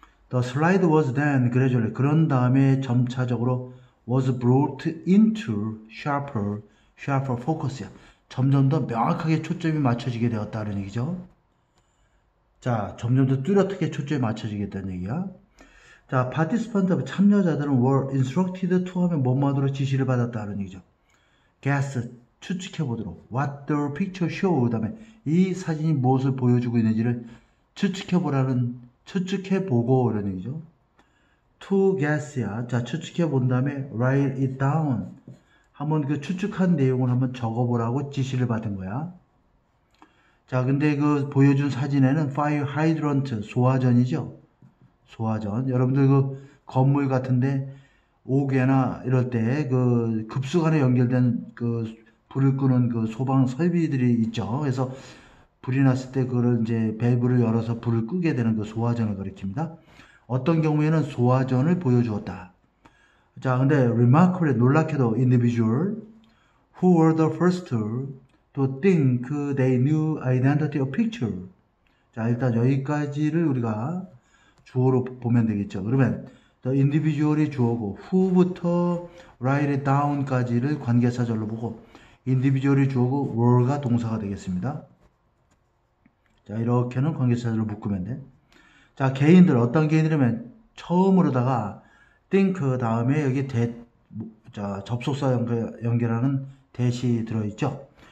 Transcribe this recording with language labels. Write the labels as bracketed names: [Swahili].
[English] The slide was then gradually, [Korean] 그런 다음에 점차적으로 [English] was brought into sharper focus야. [Korean] 점점 더 명확하게 초점이 맞춰지게 되었다는 얘기죠. 자, 점점 더 뚜렷하게 초점이 맞춰지겠다는 얘기야. 자, participant, 참여자들은 [English] were instructed to [Korean] 하면 뭐뭐하도록 지시를 받았다는 얘기죠. Guess, 추측해보도록. [English] What the picture show, [Korean] 그다음에 이 사진이 무엇을 보여주고 있는지를 추측해보라는 추측해보고, 이런 얘기죠. [English] To guess [Korean] 야. 자, 추측해본 다음에 [English] write it down. [Korean] 한번 그 추측한 내용을 한번 적어보라고 지시를 받은 거야. 자, 근데 그 보여준 사진에는 fire hydrant, 소화전이죠. 소화전. 여러분들 그 건물 같은데 옥외나 이럴 때그 급수간에 연결된 그 불을 끄는 그 소방 설비들이 있죠. 그래서 불이 났을 때 그걸 이제 밸브를 열어서 불을 끄게 되는 그 소화전을 가리킵니다. 어떤 경우에는 소화전을 보여주었다. 자, 근데 [English] remarkably, [Korean] 놀랍게도 [English] individual who were the first to think they knew identity of picture. [Korean] 자, 일단 여기까지를 우리가 주어로 보면 되겠죠. 그러면 the individual이 주어고 who부터 [English] write it down [Korean] 까지를 관계사절로 보고 individual이 주어고 were가 동사가 되겠습니다. 자, 이렇게는 관계사절로 묶으면 돼. 자, 개인들, 어떤 개인이라면 처음으로다가 think 다음에 여기 자, 접속사 연결하는 대시 들어있죠.